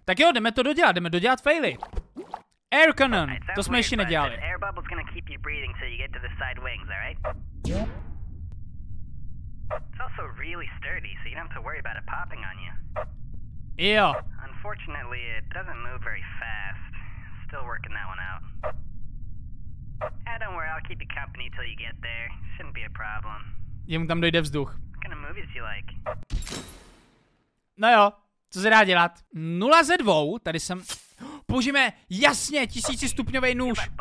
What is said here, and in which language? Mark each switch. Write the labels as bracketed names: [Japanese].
[Czech] Tak jo, jdeme dodělat faily. Air cannon, to jsme ještě nedělali. [English] Air bubble's gonna keep you breathing till you get to the side wings, alright? It's also really sturdy, so you don't have to worry about it popping on you. [Czech] Jo. [English] Unfortunately, it doesn't move very fast. Still working that one out. Don't worry, I'll keep you company till you get there. Shouldn't be a problem. [Czech] Jemu tam dojde vzduch. [English] What kind of movies do you like? [Czech] No jo, co se dá dělat? 0 ze 2, tady jsem... Použijeme, jasně, 1000stupňovej nůž.